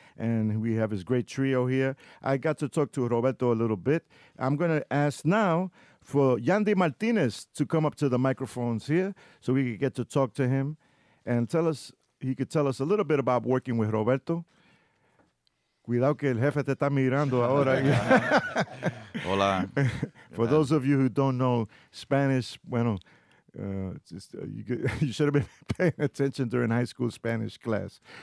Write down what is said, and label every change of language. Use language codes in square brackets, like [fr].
[en] And we have his great trio here. I got to talk to Roberto a little bit. I'm going to ask now for Yandy Martinez to come up to the microphones here so we could get to talk to him and tell us, he could tell us a little bit about working with Roberto. [es] Cuidado que el jefe te está mirando ahora. Hola. [en] For those of you who don't know Spanish, bueno, you should have been paying attention during high school Spanish class.